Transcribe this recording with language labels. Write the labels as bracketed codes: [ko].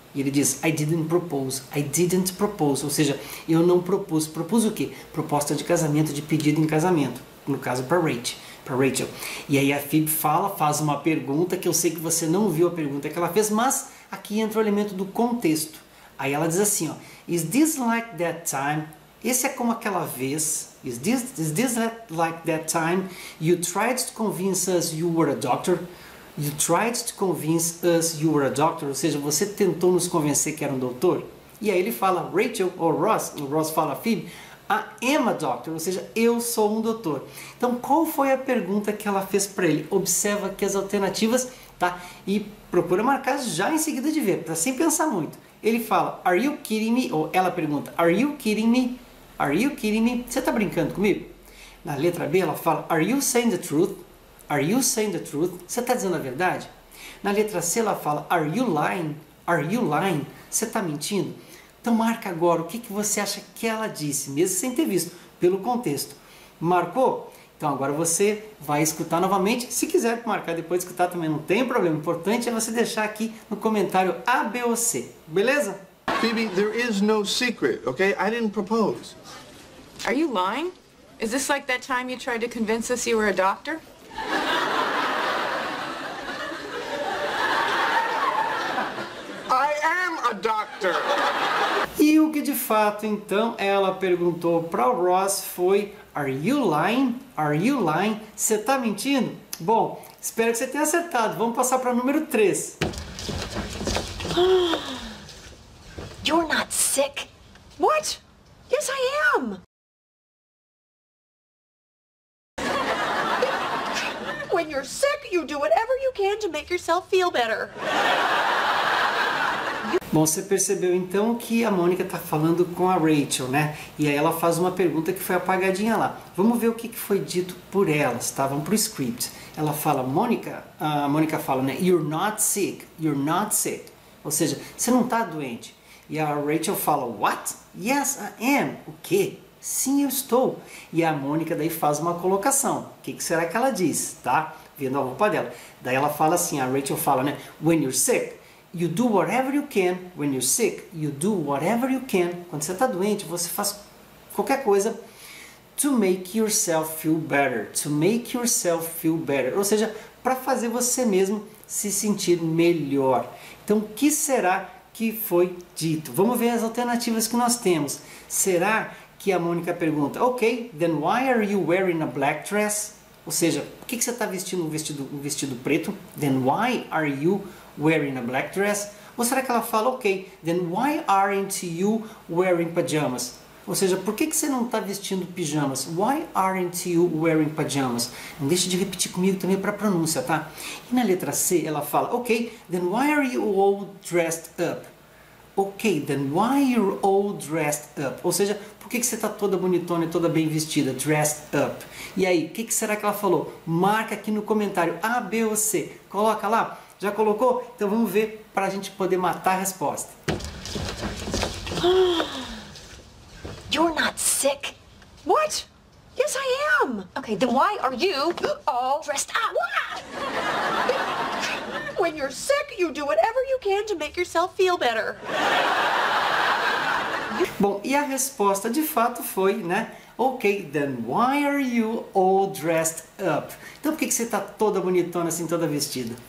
[pt] E ele diz, [en] I didn't propose. [pt] Ou seja, eu não propus. Propus o quê? Proposta de casamento, de pedido em casamento. No caso, para Rachel. E aí a Phoebe fala, faz uma pergunta, que eu sei que você não viu a pergunta que ela fez, mas aqui entra o elemento do contexto. Aí ela diz assim, ó, [en] is this like that time? [pt] Esse é como aquela vez. [en] Is this like that time you tried to convince us you were a doctor? You tried to convince us you were a doctor? [pt] Ou seja, você tentou nos convencer que era um doutor? E aí ele fala, Rachel, ou Ross, o Ross fala, Phoebe, [en] I am a doctor, [pt] ou seja, eu sou um doutor. Então, qual foi a pergunta que ela fez para ele? Observa aqui as alternativas, tá? E procura marcar já em seguida de ver, tá? Sem pensar muito. Ele fala, [en] are you kidding me? [pt] Ou ela pergunta, [en] are you kidding me? Are you kidding me? [pt] Você está brincando comigo? Na letra B, ela fala, [en] are you saying the truth? Are you saying the truth? [pt] Você está dizendo a verdade? Na letra C, ela fala, [en] are you lying? Are you lying? [pt] Você está mentindo? Então, marca agora o que, que você acha que ela disse, mesmo sem ter visto, pelo contexto. Marcou? Então, agora você vai escutar novamente. Se quiser marcar depois, escutar também, não tem problema. O importante é você deixar aqui no comentário A, B ou C. Beleza? [en] Phoebe, there is no secret, okay? I didn't propose. Are you lying? Is this like that time you tried to convince us you were a doctor? I am a doctor. [pt] E o que de fato então ela perguntou para o Ross foi: [en] Are you lying? Are you lying? [pt] Você tá mentindo? Bom, espero que você tenha acertado. Vamos passar para número 3. [en] You're not sick. What? Yes, I am. When you're sick, you do whatever you can to make yourself feel better. [pt] Bom, você percebeu então que a Mônica está falando com a Rachel, né? E aí ela faz uma pergunta que foi apagadinha lá. Vamos ver o que foi dito por elas, tá? Vamos pro script. Ela fala, a Mônica fala, né? [en] You're not sick. [pt] Ou seja, você não está doente. E a Rachel fala, [en] what? Yes, I am. [pt] O quê? Sim, eu estou. E a Mônica daí faz uma colocação. O que será que ela diz, tá? Vendo a roupa dela. Daí ela fala assim, a Rachel fala, né? [en] When you're sick, you do whatever you can. When you're sick, you do whatever you can. [pt] Quando você está doente, você faz qualquer coisa. [en] To make yourself feel better. To make yourself feel better. [pt] Ou seja, para fazer você mesmo se sentir melhor. Então, o que será que foi dito? Vamos ver as alternativas que nós temos. Será que a Mônica pergunta, [en] ok, then why are you wearing a black dress? [pt] Ou seja, por que você está vestindo um vestido preto? [en] Then why are you wearing a black dress? [pt] Ou será que ela fala, [en] ok, then why aren't you wearing pajamas? [pt] Ou seja, por que você não está vestindo pijamas? [en] Why aren't you wearing pajamas? [pt] Não deixe de repetir comigo também para a pronúncia, tá? E na letra C, ela fala, [en] ok, then why are you all dressed up? Ok, then why you're all dressed up? [pt] Ou seja, por que você está toda bonitona e toda bem vestida? [en] Dressed up. [pt] E aí, o que será que ela falou? Marca aqui no comentário, A, B ou C. Coloca lá. Já colocou? Então vamos ver para a gente poder matar a resposta. [en] You're not sick. What? Yes, I am. Okay, then why are you all dressed up? What? When you're sick, you do whatever you can to make yourself feel better. [pt] Bom, e a resposta de fato foi, né? [en] Okay, then why are you all dressed up? [pt] Então por que você está toda bonitona assim, toda vestida?